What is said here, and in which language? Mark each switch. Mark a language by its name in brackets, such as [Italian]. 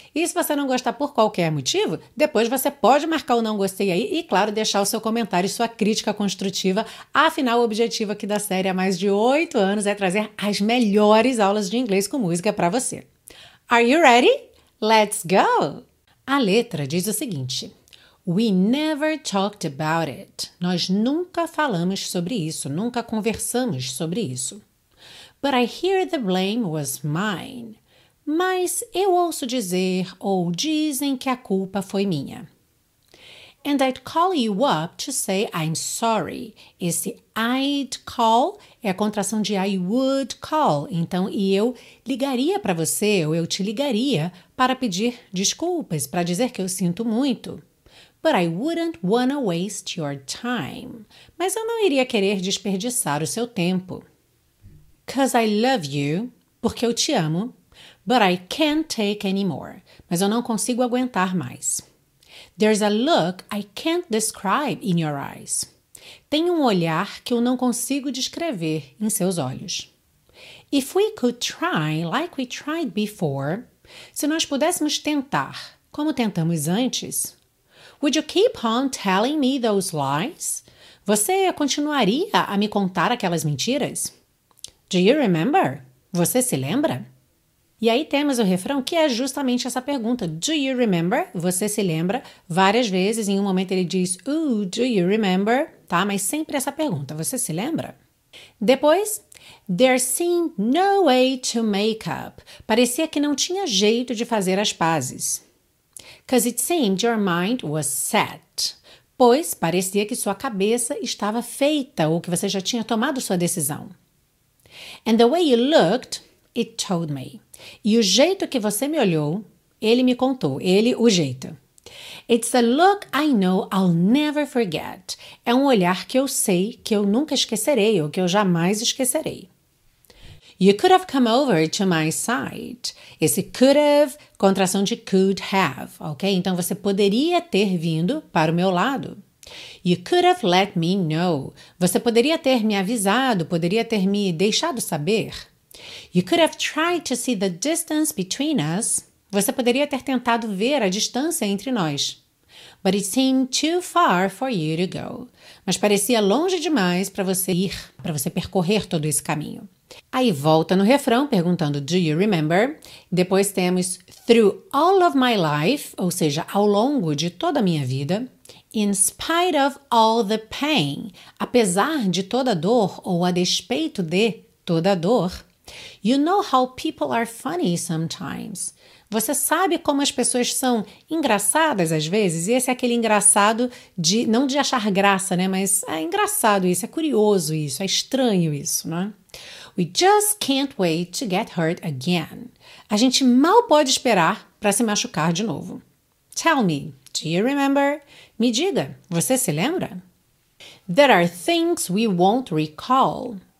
[Portuguese] E se você não gostar por qualquer motivo, depois você pode marcar o não gostei aí e, claro, deixar o seu comentário e sua crítica construtiva. Afinal, o objetivo aqui da série há mais de 8 anos é trazer as melhores aulas de inglês com música para você. [English] Are you ready? Let's go! [Portuguese] A letra diz o seguinte... [English] We never talked about it. [Portuguese] Nós nunca falamos sobre isso, nunca conversamos sobre isso. [English] But I hear the blame was mine. [Portuguese] Mas eu ouço dizer ou dizem que a culpa foi minha. [English] And I'd call you up to say I'm sorry. [Portuguese] Esse [English] I'd call [Portuguese] é a contração de [English] I would call. [Portuguese] Então, e eu ligaria para você, ou eu te ligaria para pedir desculpas, para dizer que eu sinto muito. [English] But I wouldn't wanna waste your time. [Portuguese] Mas eu não iria querer desperdiçar o seu tempo. [English] 'Cause I love you. [Portuguese] Porque eu te amo. [English] But I can't take anymore. [Portuguese] Mas eu não consigo aguentar mais. [English] There's a look I can't describe in your eyes. [Portuguese] Tem um olhar que eu não consigo descrever em seus olhos. [English] If we could try like we tried before. [Portuguese] Se nós pudéssemos tentar como tentamos antes... [English] Would you keep on telling me those lies? [Portuguese] Você continuaria a me contar aquelas mentiras? [English] Do you remember? [Portuguese] Você se lembra? E aí temos o refrão que é justamente essa pergunta. [English] Do you remember? [Portuguese] Você se lembra? Várias vezes, em um momento ele diz, [English] ooh, do you remember? [Portuguese] Tá? Mas sempre essa pergunta. Você se lembra? [English] Depois, there seemed no way to make up. [Portuguese] Parecia que não tinha jeito de fazer as pazes. [English] 'Cause it seemed your mind was set. [Portuguese] Pois parecia que sua cabeça estava feita ou que você já tinha tomado sua decisão. [English] And the way you looked, it told me. [Portuguese] E o jeito que você me olhou, ele me contou, ele o jeito. [English] It's a look I know I'll never forget. [Portuguese] É um olhar que eu sei que eu nunca esquecerei ou que eu jamais esquecerei. [English] You could have come over to my side. [Portuguese] Esse could have, contração de could have, ok? Então, você poderia ter vindo para o meu lado. [English] You could have let me know. [Portuguese] Você poderia ter me avisado, poderia ter me deixado saber. [English] You could have tried to see the distance between us. [Portuguese] Você poderia ter tentado ver a distância entre nós. [English] But it seemed too far for you to go. [Portuguese] Mas parecia longe demais para você ir, para você percorrer todo esse caminho. Aí volta no refrão perguntando, [English] do you remember? [Portuguese] Depois temos, [English] through all of my life, [Portuguese] ou seja, ao longo de toda a minha vida, [English] in spite of all the pain, [Portuguese] apesar de toda a dor ou a despeito de toda a dor, [English] you know how people are funny sometimes. [Portuguese] Você sabe como as pessoas são engraçadas às vezes? E esse é aquele engraçado de, não de achar graça, né? Mas é engraçado isso, é curioso isso, é estranho isso, né? [English] We just can't wait to get hurt again. [Portuguese] A gente mal pode esperar para se machucar de novo. [English] Tell me, do you remember? [Portuguese] Me diga, você se lembra? [English] There are things we won't recall.